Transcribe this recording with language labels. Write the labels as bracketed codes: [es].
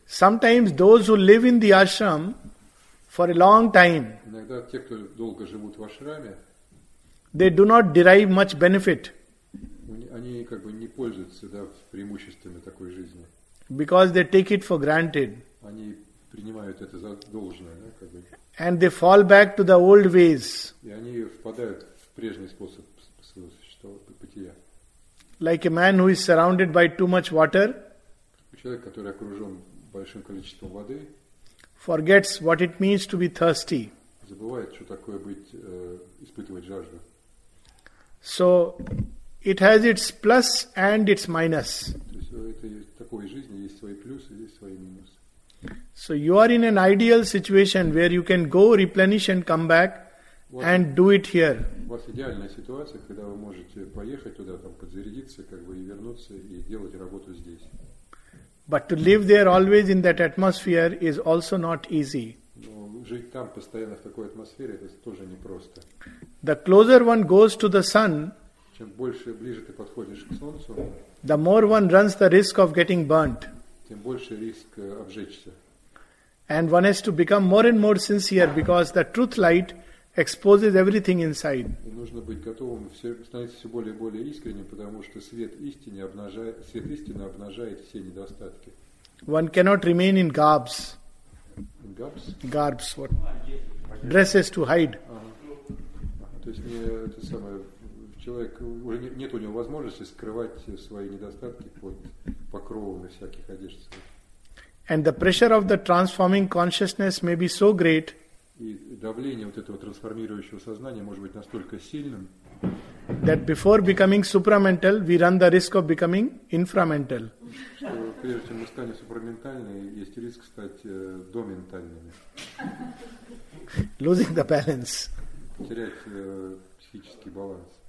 [en] Sometimes those who live in the ashram for a long time, [ru] иногда те, кто долго живут в ашраме, [en] they do not derive much benefit. [ru] Они как бы не пользуются, да, преимуществами такой жизни. [en] Because they take it for granted. [ru] Они принимают это за должное, да, как бы. [en] And they fall back to the old ways. [ru] И они впадают в прежний способ своего существования, бытия. [en] Like a man who is surrounded by too much water. [ru] Человек, который окружен большим количеством воды, [en] forgets what it means to be thirsty. [ru] Забывает, что такое быть, испытывать жажду. [en] So it has its plus and its minus. [ru] То есть в этой такой жизни есть свои плюсы, есть свои минусы. [en] So you are in an ideal situation where you can go replenish and come back and do it here. [ru] У вас идеальная ситуация, когда вы можете поехать туда, там подзарядиться, как бы и вернуться и делать работу здесь. [en] But to live there always in that atmosphere is also not easy. [ru] Но жить там постоянно в такой атмосфере, это тоже непросто. [en] The closer one goes to the sun, [ru] чем больше ближе ты подходишь к солнцу, [en] the more one runs the risk of getting burnt. [ru] Тем больше риск обжечься. [en] And one has to become more and more sincere because the truth light exposes everything inside. [ru] И нужно быть готовым, становиться все более и более искренним, потому что свет истины обнажает все недостатки. [en] One cannot remain in garbs. Garbs? Garbs, what? Dresses to hide. [ru] Ага. То есть не это самое. Человек, уже нет у него возможности скрывать свои недостатки под покровами всяких одежд. [en] And the pressure of the transforming consciousness may be so great. [ru] И давление вот этого трансформирующего сознания может быть настолько сильным, [en] that before becoming supramental, we run the risk of becoming inframental. [ru] Что прежде чем мы станем супраментальными, есть риск стать доментальными. [en] Losing the balance. [ru] Потерять психический баланс.